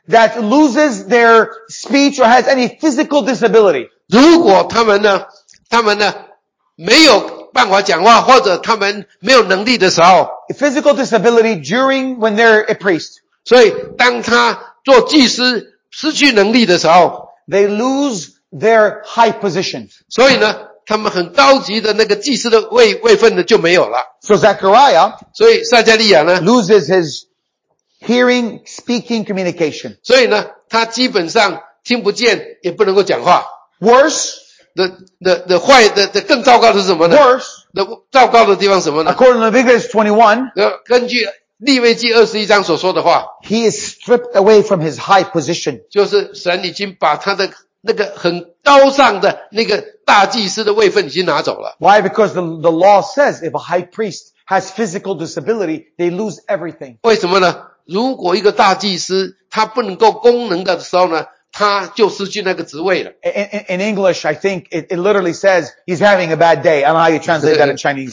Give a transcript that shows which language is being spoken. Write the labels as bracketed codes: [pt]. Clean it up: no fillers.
[en] that loses their speech or has any physical disability, [zh] 如果他们呢, 他们呢没有办法讲话, 或者他们没有能力的时候, [en] physical disability during when they're a priest. [zh] 所以当他做祭司失去能力的时候, [en] they lose their high position. [zh] 所以呢, 他们很高级的那个祭司的位份呢就没有了。 [en] So Zechariah, [zh] 所以撒加利亚呢, [en] loses his hearing, speaking, communication. [zh] 所以呢, 他基本上听不见也不能够讲话。 [en] Worse, The [zh] 更糟糕的是什么呢? [en] Worse, [zh] 糟糕的地方是什么呢? [en] According to Leviticus 21, [zh] 根据利未记21章所说的话, [en] he is stripped away from his high position. [zh] 就是神已经把他的那个很高尚的那个大祭司的位份已经拿走了。 [en] Why? Because the law says if a high priest has physical disability, they lose everything. [zh] 为什么呢? 如果一个大祭司他不能够功能的时候呢, 他就失去那个职位了。 [en] In English, I think it literally says he's having a bad day. I don't know how you translate that in Chinese.